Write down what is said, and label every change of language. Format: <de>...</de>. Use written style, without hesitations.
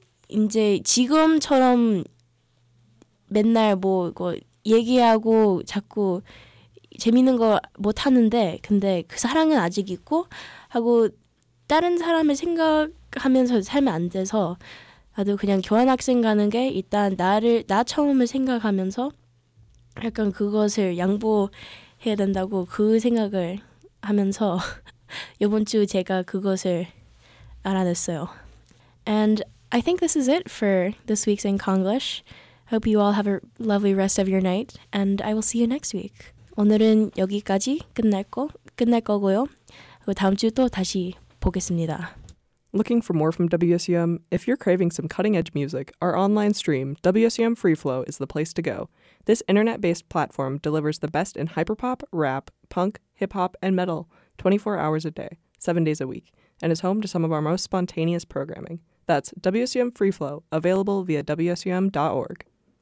<ko>이제 지금처럼 맨날 뭐 이거 얘기하고 자꾸 재밌는 거 못 하는데 근데 그 사랑은 아직 있고 하고 다른 사람을 생각하면서 살면 안 돼서 나도 그냥 교환학생 가는 게 일단 나 처음을 생각하면서 약간 그것을 양보해야 된다고 그 생각을 하면서 이번 주 제가 그것을 알아냈어요.</ko> <en>And I think this is it for this week's In Konglish. Hope you all have a lovely rest of your night and I will see you next week.</en> <ko>오늘은 여기까지 끝낼 거고요. 다음 주 또 다시 보겠습니다.</ko> <en>Looking for more from WSUM? If you're craving some cutting-edge music, our online stream, WSUM Freeflow, is the place to go. This internet-based platform delivers the best in hyperpop, rap, punk, hip-hop, and metal 24 hours a day, 7 days a week, and is home to some of our most spontaneous programming. That's WSUM Freeflow, available via WSUM.org.</en>